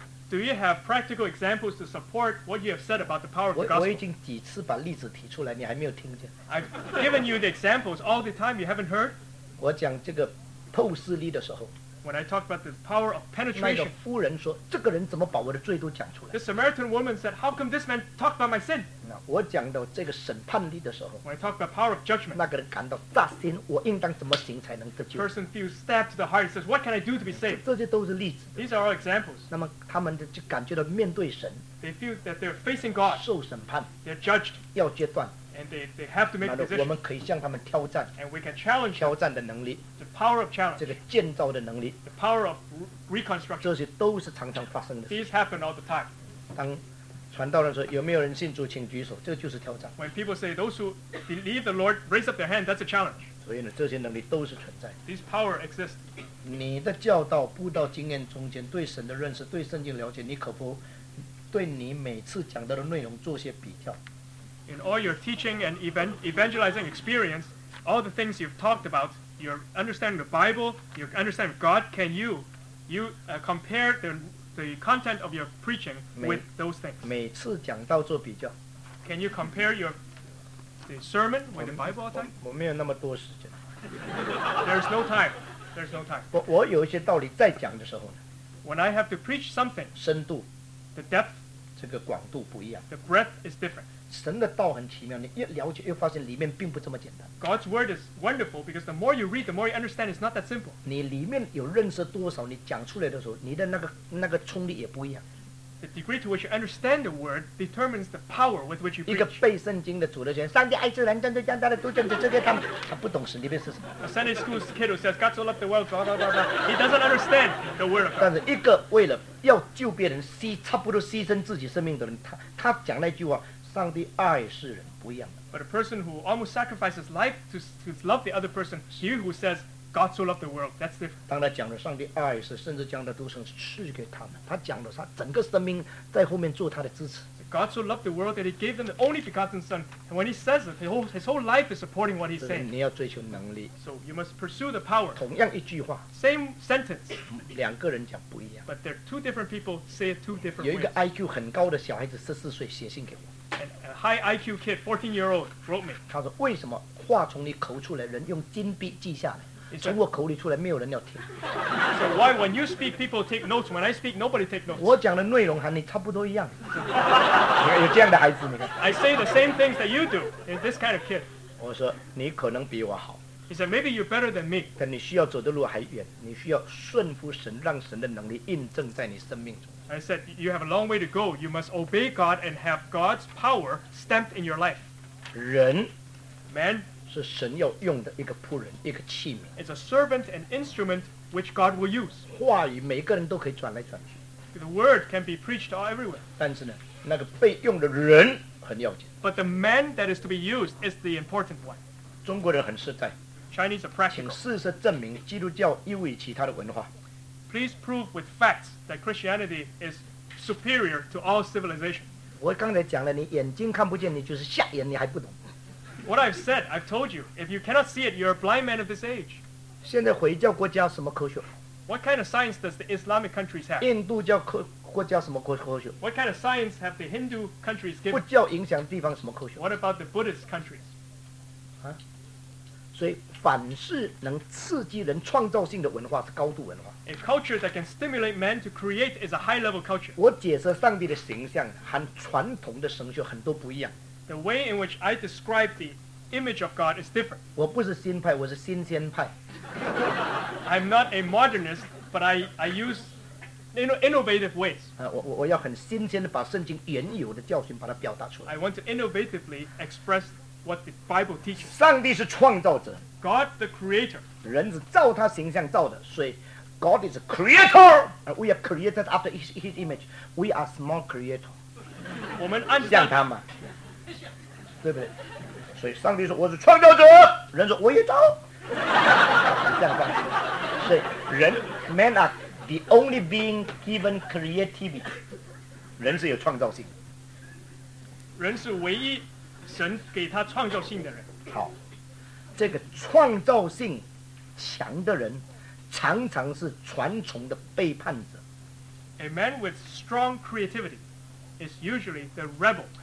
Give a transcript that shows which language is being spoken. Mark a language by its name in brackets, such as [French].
[English] Do you have practical examples to support what you have said about the power of the gospel? [Chinese] 我已经几次把例子提出来，你还没有听见。 [English] I've given you the examples all the time. You haven't heard. [Chinese] 我讲这个透视力的时候 [English] ，When I talk about the power of penetration. [Chinese] 那个妇人说：“这个人怎么把我的罪都讲出来 [English] ？”The Samaritan woman said, "How come this man talk about my sin?" [Chinese] 那我讲到这个审判力的时候 [English] ，When I talk about power of judgment. [Chinese] 那个人感到扎心，我应当怎么行才能得救 [English] ？Person feels stabbed to the heart. Says, "What can I do to be saved?" [Chinese] 这些都是例子。 [English] These are all examples. [Chinese] 那么他们就感觉到面对神 [English] ，They feel that they're facing God. [Chinese] 受审判 [English] ，They're judged. [Chinese] 要决断。 [English] And they have to make a decision. [Chinese] 我们可以向他们挑战。 [English] And we can challenge. [Chinese] 挑战的能力。 [English] The power of challenge. [Chinese] 这个建造的能力。 [English] The power of reconstruction. [Chinese] 这些都是常常发生的。 [English] These happen all the time. [Chinese] 当传道人说有没有人信主，请举手。这就是挑战。 [English] When people say those who believe the Lord raise up their hand, that's a challenge. [Chinese] 所以呢，这些能力都是存在的。 [English] These power exist. [Chinese] 你的教导、布道经验中间对神的认识、对圣经了解，你可否对你每次讲到的内容做些比较 [English] ？In all your teaching and evangelizing experience, all the things you've talked about, your understanding the Bible, your understanding of God, can you compare the content of your preaching with those things? [Chinese] 每次讲到做比较 [English] ，Can you compare your The sermon with the Bible all the time? [Chinese] 我没有那么多时间。 [English] There's no time. There's no time. [Chinese] 我有一些道理在讲的时候呢。 [English] When I have to preach something, [Chinese] 深度 [English] the depth, [Chinese] 这个广度不一样。 [English] The breadth is different. [Chinese] 神的道很奇妙，你越了解越发现里面并不这么简单。 [English] God's word is wonderful because the more you read, the more you understand. It's not that simple. [Chinese] 你里面有认识多少，你讲出来的时候，你的那个冲力也不一样。 [English] The degree to which you understand the word determines the power with which you preach. [Chinese] 一个背圣经的主的学生，上帝爱世人，将这将他的都将这这个他们，他不懂神里面是什么。 [English] A Sunday school kid who says God so loved the world, blah blah blah blah. He doesn't understand the word of God. [Chinese] 但是一个为了要救别人，差不多牺牲自己生命的人，他讲那句话，上帝爱世人不一样的。 [English] But a person who almost sacrifices life to love the other person, he who says God so loved the world. That's different. [Chinese] 当他讲了上帝爱是，甚至将他独生赐给他们，他讲了他整个生命在后面做他的支持。 [English] God so loved the world that He gave them the only begotten Son. And when He says it, his whole life is supporting what He's saying. [Chinese] 你要追求能力。 [English] So you must pursue the power. [Chinese] 同样一句话。 [English] Same sentence. [Chinese] 两个人讲不一样。 [English] But they're two different people say it two different ways. [Chinese] 有一个 IQ 很高的小孩子，14岁写信给我。 [English] A high IQ kid, 14-year-old, wrote me. [Chinese] 他说为什么话从你口出来，人用金笔记下来？从我口里出来，没有人要听。 [English] So why when you speak, people take notes? When I speak, nobody take notes. [Chinese] 我讲的内容和你差不多一样。有这样的孩子，你看。 [English] I say the same things that you do. This kind of kid. [Chinese] 我说你可能比我好。 [English] He said maybe you're better than me. [Chinese] 但你需要走的路还远，你需要顺服神，让神的能力印证在你生命中。 [English] I said you have a long way to go. You must obey God and have God's power stamped in your life. [Chinese] 人 [English] ，man。 [Chinese] 是神要用的一个仆人，一个器皿。 [English] It's a servant and instrument which God will use. [Chinese] 话语每个人都可以转来转去。 [English] The word can be preached all everywhere. [Chinese] 但是呢，那个被用的人很要紧。 [English] But the man that is to be used is the important one. [Chinese] 中国人很实在。 [English] Chinese are practical. [Chinese] 请事实证明基督教优于其他的文化。 [English] Please prove with facts that Christianity is superior to all civilization. [Chinese] 我刚才讲了，你眼睛看不见，你就是瞎眼，你还不懂。 [English] What I've said, I've told you. If you cannot see it, you're a blind man of this age. [Chinese] 现在回教国家什么科学？ [English] What kind of science does the Islamic countries have? [Chinese] 印度教国家什么科学？ [English] What kind of science have the Hindu countries given? [Chinese] 佛教影响地方什么科学？ [English] What about the Buddhist countries? [Chinese] 啊，所以凡是能刺激人创造性的文化是高度文化。 [English] A culture that can stimulate man to create is a high-level culture. [Chinese] 我解释上帝的形象和传统的神学很多不一样。 [English] The way in which I describe the image of God is different. [Chinese] 我不是新派，我是新鲜派。 [English] I'm not a modernist, but I use innovative ways. [Chinese] 我要很新鲜的把圣经原有的教训把它表达出来。 [English] I want to innovatively express what the Bible teaches. [Chinese] 上帝是创造者。 [English] God the creator. [Chinese] 人是照他形象造的，所以 [English] God is a creator. We are created after his image. We are small creator. [Chinese] 我们按像他嘛。对不对？所以上帝说我是创造者，人说我也造，这样办。所以人 [English] ，man are the only being given creativity， [Chinese] 人是有创造性，人是唯一神给他创造性的人。好，这个创造性强的人，常常是传统的背叛者。 [English] A man with strong creativity is usually the rebel。